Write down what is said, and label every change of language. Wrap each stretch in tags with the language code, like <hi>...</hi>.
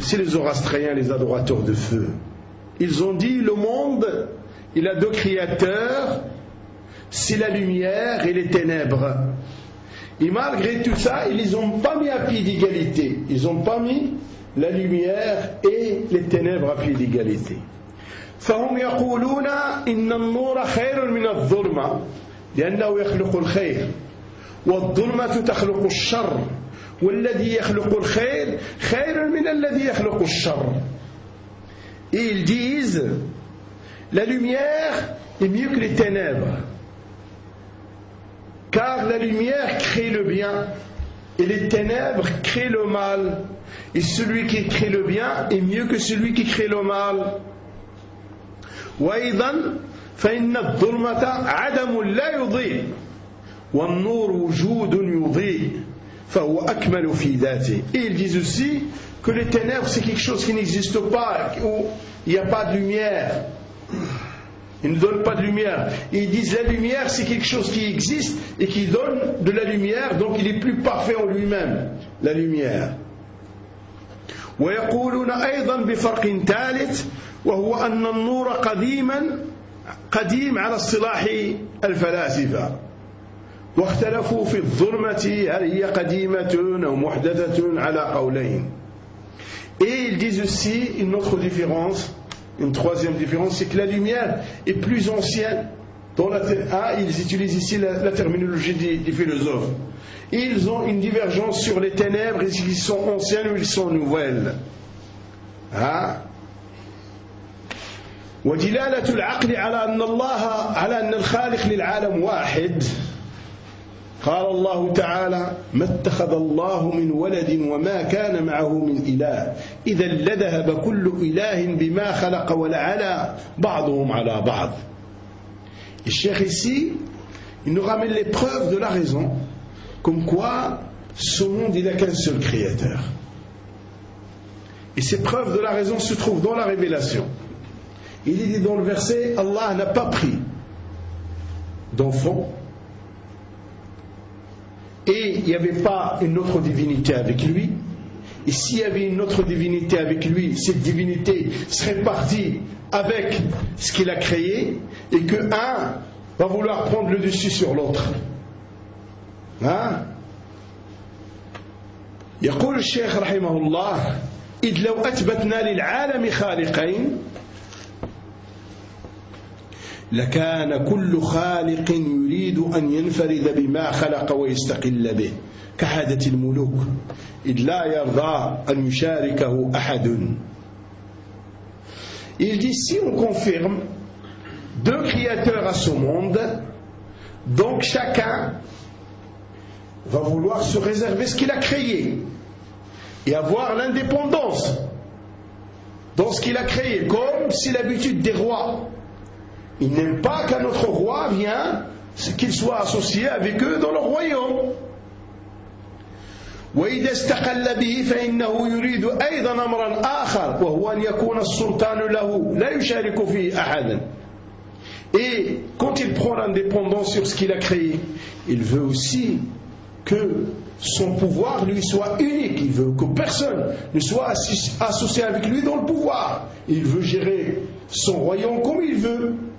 <fr>C'est les zoroastriens, les adorateurs de feu. Ils ont dit le monde il a deux créateurs, c'est la lumière et les ténèbres. Et malgré tout ça, ils ne les ont pas mis à pied d'égalité. Ils n'ont pas mis la lumière et les ténèbres à pied d'égalité.</fr> <ar>فهم يقولون إن النور خير من الظلمة لأنه يخلق الخير والظلمة تخلق الشر والذي يخلق الخير خير من الذي يخلق الشر.</ar> <fr>Et ils disent, la lumière est mieux que les ténèbres, car la lumière crée le bien, et les ténèbres créent le mal, et celui qui crée le bien est mieux que celui qui crée le mal.</fr> <ar>وأيضا فإن الظلمة عدم لا يضيء والنور وجود يضيء فهو أكمل في ذاته.</ar> <fr>Et ils disent aussi que les ténèbres c'est quelque chose qui n'existe pas, où il n'y a pas de lumière. Ils ne donnent pas de lumière. Et ils disent la lumière c'est quelque chose qui existe et qui donne de la lumière, donc il est plus parfait en lui-même, la lumière.</fr> <ar>ويقولون أيضا بفرق ثالث وهو أن النور قديما قديم على اصطلاح الفلاسفة واختلفوا في الظلمة هل هي قديمة أو محدثة على قولين.</ar> <fr>Et ils disent aussi une autre différence, une troisième différence, c'est que la lumière est plus ancienne. Ils utilisent ici la terminologie des philosophes. Ils ont une divergence sur les ténèbres, est-ce qu'ils sont anciennes ou ils sont nouvelles.</fr> <ar>ودلالة العقل على أن الله على أن الخالق للعالم واحد. قال الله تعالى ما اتخذ الله من ولد وما كان معه من إله إذا لذهب كل إله بما خلق ولعلى بعضهم على بعض.</ar> <fr>الشيخ ici il nous ramène les preuves de la raison comme quoi ce monde il n'a qu'un seul créateur, et ces preuves de la raison se trouvent dans la révélation. Il est dit dans le verset, Allah n'a pas pris d'enfant et il n'y avait pas une autre divinité avec lui. Et s'il y avait une autre divinité avec lui, cette divinité serait partie avec ce qu'il a créé, et que un va vouloir prendre le dessus sur l'autre.</fr> <ar>يقول الشيخ رحمه الله إذ لو أثبتنا للعالم خالقين لكان كل خالق يريد أن ينفرد بما خلق ويستقل به كعادة الملوك إذ لا يرضى أن يشاركه أحد.</ar> <fr>Il dit si on confirme deux créateurs à ce monde, donc chacun va vouloir se réserver ce qu'il a créé et avoir l'indépendance dans ce qu'il a créé, comme si l'habitude des rois. Ils n'aiment pas qu'un autre roi vienne, qu'il soit associé avec eux dans leur royaume.</fr> <ar>وإذا استقل به فإنه يريد أيضا أمرا آخر وهو أن يكون السلطان له لا يشارك فيه أحدا.</ar> <fr>Et quand il prend l'indépendance sur ce qu'il a créé, il veut aussi que son pouvoir lui soit unique. Il veut que personne ne soit associé avec lui dans le pouvoir. Il veut gérer son royaume comme il veut.</fr>